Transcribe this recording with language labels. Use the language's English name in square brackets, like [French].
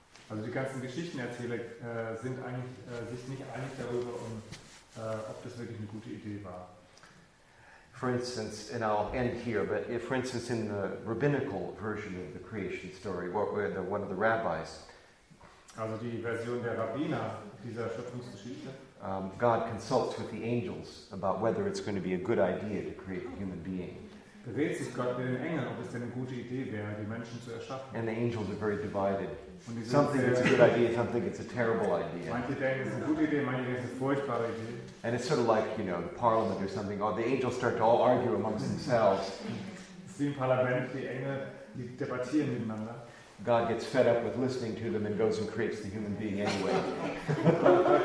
[German] Also die ganzen Geschichtenerzähler sind sich nicht einig darüber, ob das wirklich eine gute Idee war. [English] For instance, and I'll end here, but if, for instance, in the rabbinical version of the creation story, one of the rabbis, [German] also die Version der Rabbiner dieser Schöpfungsgeschichte, [English] God consults with the angels about whether it's going to be a good idea to create a human being. [German] Berät sich Gott mit den Engeln, ob es denn eine gute Idee wäre, die Menschen zu erschaffen. [English] And the angels are very divided. Some think it's a good idea, some think it's a terrible idea. [German] Manche denken, es ist eine gute Idee, manche denken, es ist eine furchtbare Idee. [English] And it's sort of like, you know, the parliament or something. Or the angels start to all argue amongst themselves. [German] Es ist wie im Parlament, die Engel, die debattieren miteinander. [English] God gets fed up with listening to them and goes and creates the human being anyway.